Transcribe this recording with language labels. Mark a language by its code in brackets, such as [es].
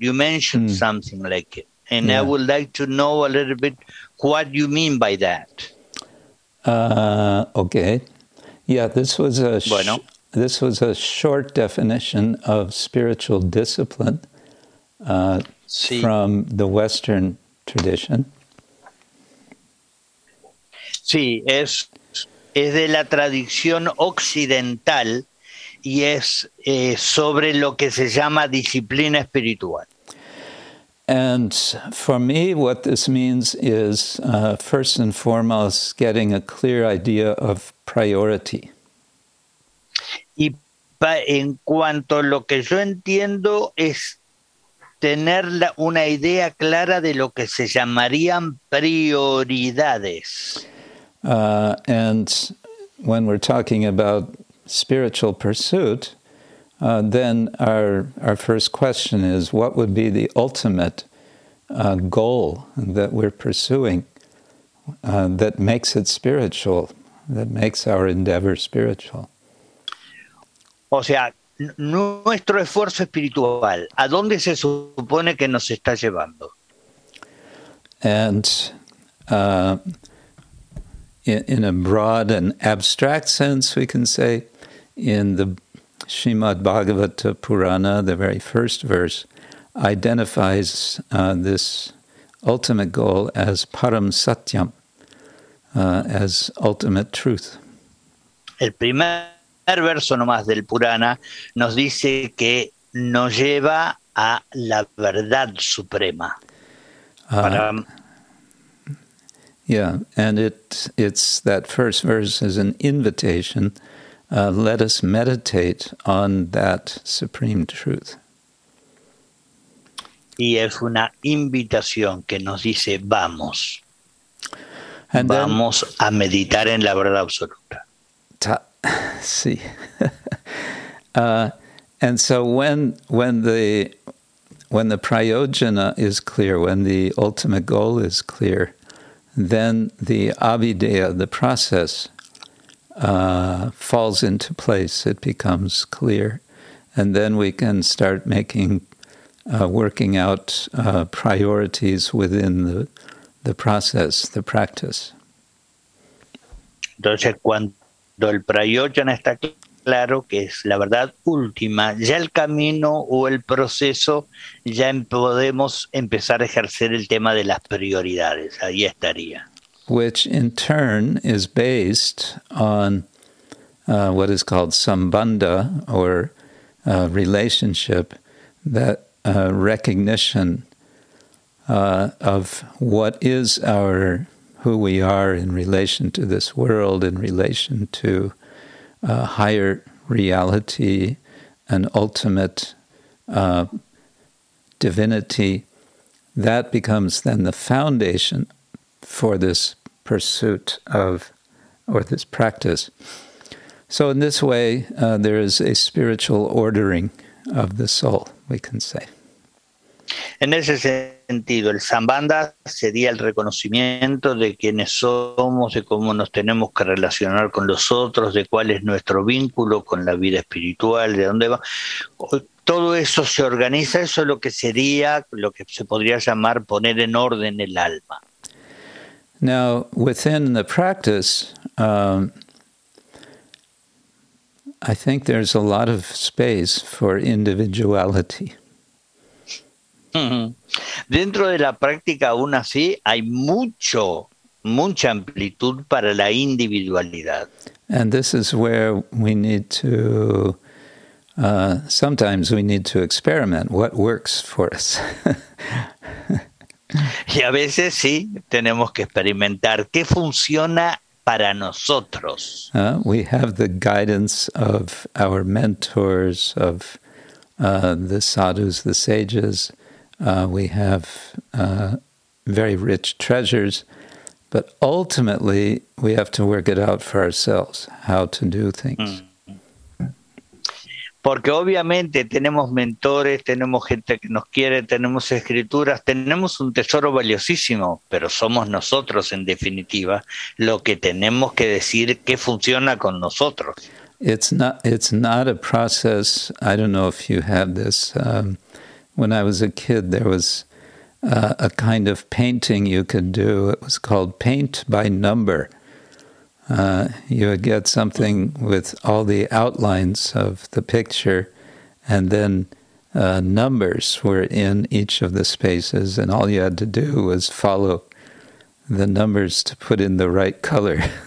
[en] You mentioned something like it. And I would like to know a little bit what you mean by that. Okay. Yeah, this was a short definition of spiritual discipline from the Western tradition. [es] Sí, es de la tradición occidental y es sobre lo que se llama disciplina espiritual. [en] And for me, what this means is, first and foremost, getting a clear idea of priority. [es] Y en cuanto a lo que yo entiendo es tener una idea clara de lo que se llamarían prioridades. [en] And when we're talking about spiritual pursuit, then our first question is, what would be the ultimate goal that we're pursuing that makes it spiritual, that makes our endeavor spiritual? [es] O sea, nuestro esfuerzo espiritual, ¿a dónde se supone que nos está llevando? [en] And In a broad and abstract sense, we can say in the Srimad Bhagavata Purana, the very first verse, identifies this ultimate goal as Param Satyam, as ultimate truth. [es] El primer verso nomás del Purana nos dice que nos lleva a la verdad suprema. [en] And it's that first verse is an invitation. Let us meditate on that supreme truth. [es] Y es una invitación que nos dice, vamos. [en] And [es] vamos [en] then, [es] a meditar en la verdad absoluta. Sí. [en] And so when the prayojana is clear, when the ultimate goal is clear, then the avideya, the process, falls into place. It becomes clear. And then we can start working out priorities within the process, the practice. [es] Entonces, cuando el prayojana está claro, que es la verdad última, ya el camino o el proceso, ya podemos empezar a ejercer el tema de las prioridades. Ahí estaría. [en] Which in turn is based on what is called sambandha or relationship, that recognition of what is our, who we are in relation to this world, in relation to a higher reality, an ultimate divinity, that becomes then the foundation for this pursuit of, or this practice. So in this way, there is a spiritual ordering of the soul, we can say. [es] En ese sentido, el sambandha sería el reconocimiento de quiénes somos, de cómo nos tenemos que relacionar con los otros, de cuál es nuestro vínculo con la vida espiritual, de dónde va. Todo eso se organiza, eso es lo que sería, lo que se podría llamar poner en orden el alma. [en] Now, within the practice, I think there's a lot of space for individuality. [es] Dentro de la práctica, aún así, hay mucha amplitud para la individualidad. [en] And this is where we need to, sometimes we need to experiment what works for us. [es] Y a veces, sí, tenemos que experimentar qué funciona para nosotros. [en] We have the guidance of our mentors, of the sadhus, the sages. We have very rich treasures, but ultimately we have to work it out for ourselves, how to do things. [es] Porque obviamente tenemos mentores, tenemos gente que nos quiere, tenemos escrituras, tenemos un tesoro valiosísimo, pero somos nosotros, en definitiva, lo que tenemos que decir que funciona con nosotros. [en] It's not a process. I don't know if you have this. When I was a kid, there was a kind of painting you could do. It was called paint by number. You would get something with all the outlines of the picture, and then numbers were in each of the spaces, and all you had to do was follow the numbers to put in the right color.